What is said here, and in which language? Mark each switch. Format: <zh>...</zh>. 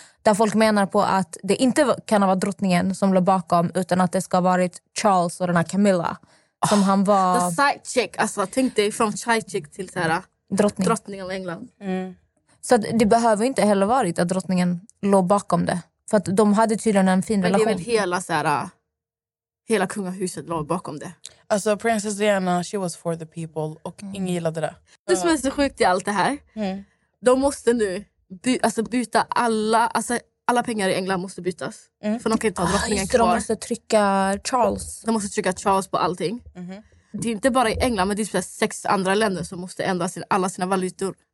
<sv>Där folk menar på att det inte kan vara drottningen som låg bakom, utan att det ska ha varit Charles och den här Camilla. Som han var... The side chick, alltså tänk dig från side chick till så här... Drottning av England. Mm. Så det behöver inte heller varit att drottningen låg bakom det. För att de hade tydligen en fin relation. Men det är väl hela, så här, hela kungahuset låg bakom det. Alltså</sv> <en>Princess Diana, she was for the people.</en> <sv>Och ingen gillade det. Det som är så sjukt i allt det här. Mm. De måste nu byta alla, alltså alla pengar i England måste bytas. Mm. För de kan inte ha drottningen kvar. De måste trycka Charles. De måste trycka Charles på allting. Mm. Det är inte bara i England, men det är sex andra länder som måste ändra alla sina valutor.</sv>